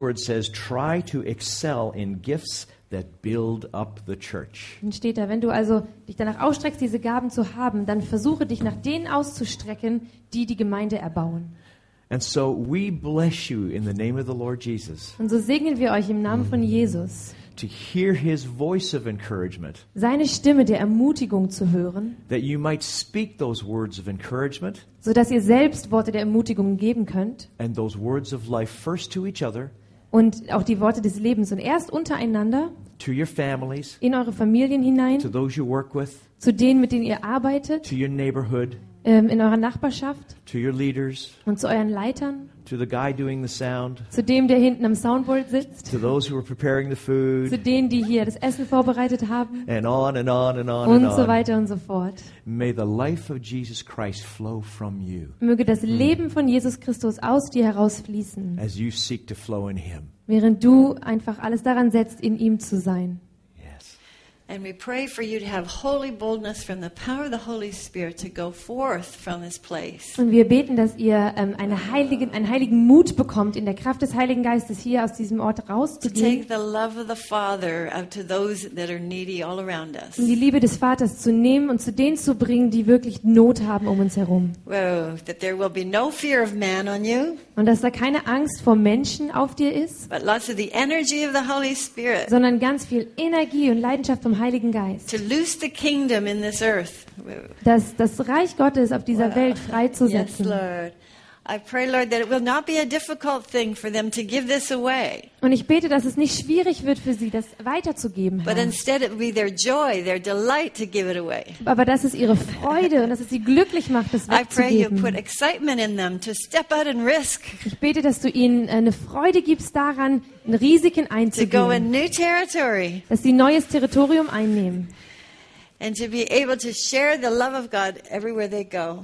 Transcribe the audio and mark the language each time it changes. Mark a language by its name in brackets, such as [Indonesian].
[English] word says, try to excel in gifts that build up the church. [German] Dann steht da, wenn du also dich danach ausstreckst, diese Gaben zu haben, dann versuche dich nach denen auszustrecken, die die Gemeinde erbauen. [English] And so we bless you in the name of the Lord Jesus. [German] Und so segnen wir euch im Namen von Jesus. [English] To hear his voice of encouragement. [German] Seine Stimme der Ermutigung zu hören. [English] That you might speak those words of encouragement. [German] So dass ihr selbst Worte der Ermutigung geben könnt. [English] And those words of life first to each other. [German] Und auch die Worte des Lebens und erst untereinander. [English] To your families. [German] In eure Familien hinein. [English] To those you work with. [German] Zu denen, mit denen ihr arbeitet. [English] To your neighborhood. [German] In eurer Nachbarschaft. [English] To your leaders. [German] Und zu euren Leitern. [English] To the guy doing the sound. [German] Zu dem, der hinten am Soundboard sitzt. [English] To those who are preparing the food. [German] Zu denen, die hier das Essen vorbereitet haben. [English] And on and on and on. [German] Und so weiter und so fort. [English] May the life of Jesus Christ flow from you. [German] Möge das Leben von Jesus Christus aus dir herausfließen. [English] As you seek to flow in him. [German] Während du einfach alles daran setzt, in ihm zu sein. [English] And we pray for you to have holy boldness from the power of the Holy Spirit to go forth from this place. [German] Und wir beten, dass ihr einen heiligen Mut bekommt in der Kraft des Heiligen Geistes hier aus diesem Ort rauszugehen. [English] To take the love of the Father out to those that are needy all around us. [German] Um die Liebe des Vaters zu nehmen und zu denen zu bringen, die wirklich Not haben um uns herum. [English] Well, that there will be no fear of man on you. [German] Und dass da keine Angst vor Menschen auf dir ist. [English] But lots of the energy of the Holy Spirit. [German] Sondern ganz viel Energie und Leidenschaft vom Heiligen Geist. [English] To loose the kingdom in this earth. [German] Dass das Reich Gottes auf dieser Welt freizusetzen. [English] Yes, Lord. I pray, Lord, that it will not be a difficult thing for them to give this away. [German] Und ich bete, dass es nicht schwierig wird für sie, das weiterzugeben. Herr. [English] But instead it will be their joy, their delight to give it away. [German] Aber dass es ihre Freude und dass es sie glücklich macht, das wegzugeben. [English] I pray you put excitement in them to step out and risk. [German] Ich bete, dass du ihnen eine Freude gibst daran, Risiken einzugehen. [English] To go in new territory. [German] Dass sie neues Territorium einnehmen. [English] And to be able to share the love of God everywhere they go.